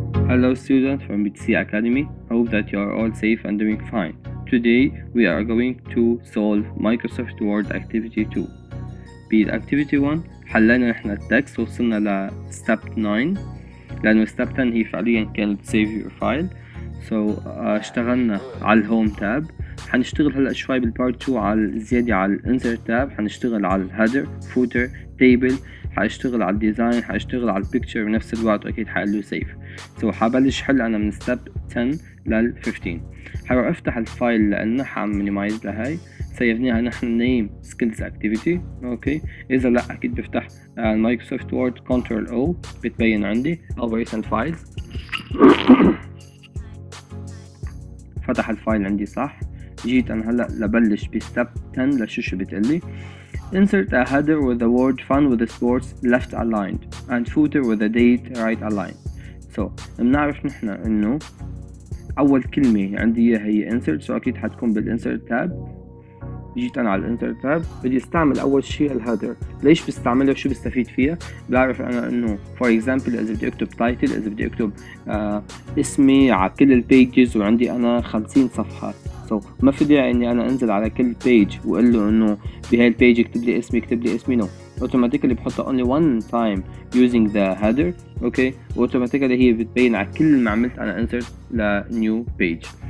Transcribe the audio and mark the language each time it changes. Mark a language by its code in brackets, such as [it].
[en] Hello students from BTC Academy, hope that you are all safe and doing fine. Today we are going to solve Microsoft Word Activity 2. [ar] بالActivity 1 حلينا احنا التكست وصلنا ل Step 9 لأنه Step 10 هي فعليا كانت Save Your File. So اشتغلنا على Home tab. حنشتغل هلأ شوي بالPart 2 على زيادة على Insert tab. حنشتغل على Header, Footer, Table. حاشتغل على الديزاين، حاشتغل على البيكتشر بنفس الوقت واكيد حقله سيف. سو حبلش حل انا من ستيب 10 لل 15. حروح افتح الفايل لانه حعمل مينيمايز لهي، سيبنيها نحن نيم سكيلز اكتيفيتي، اوكي؟ اذا لا اكيد بفتح مايكروسوفت وورد كنترول او بتبين عندي او ريسنت فايلز. فتح الفايل عندي صح، جيت انا هلا لبلش بستيب 10 لشو شو بتقلي. [en] Insert a header with the word fun with the sports left aligned and footer with the date right aligned. [ar] So بنعرف نحن انه اول كلمة عندي هي insert، so اكيد حتكون بالinsert tab. جيت انا على الinsert tab، بدي استعمل اول شيء الheader. ليش بستعمله وشو بستفيد فيها؟ بعرف انا انه for example اذا بدي اكتب title، اذا بدي اكتب اسمي على كل البيجز وعندي انا 50 صفحة، ما في داعي اني انا انزل على كل بيج واقول له انه بهاي البيج اكتب لي اسمي اكتب لي اسمي. نو اوتوماتيكلي بحطها [en] only one time using the header, [ar] اوكي؟ اوتوماتيكلي هي بتبين على كل ما عملت انا انسرت لنيو بيج.